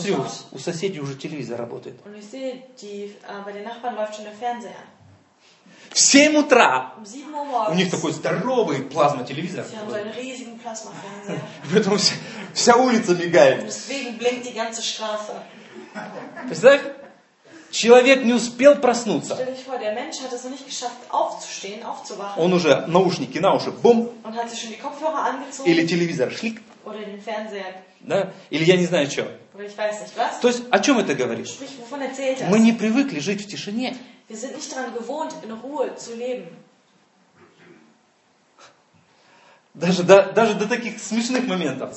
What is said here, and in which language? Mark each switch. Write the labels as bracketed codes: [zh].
[ru] Смотрю, у соседей уже телевизор работает. [de] Und ich sehe, bei den Nachbarn läuft schon der Fernseher. [ru] В 7 утра. [de] Um 7 Uhr morgens. [ru] У них такой здоровый плазма телевизор. [de] Sie haben so einen riesigen Plasma-Fernseher. [ru] Поэтому вся улица мигает. [de] Und deswegen blinkt die ganze Straße. [ru] Представь? Человек не успел проснуться. [de] Stell dich vor, der Mensch hat es noch nicht geschafft, aufzustehen, aufzuwachen. [ru] Он уже наушники на уши, бум. Он [de] hat sich schon die Kopfhörer angezogen. [ru] Или телевизор, шлик. [de] Oder den Fernseher. [ru] Да? Или я не знаю, что. [de] Oder ich weiß nicht, was. [ru] То есть, о чем это говорит? [de] Sprich, wovon erzählt das? [ru] Мы не привыкли жить в тишине. [de] Wir sind nicht daran gewohnt, in Ruhe zu leben. [ru] Даже до таких смешных моментов.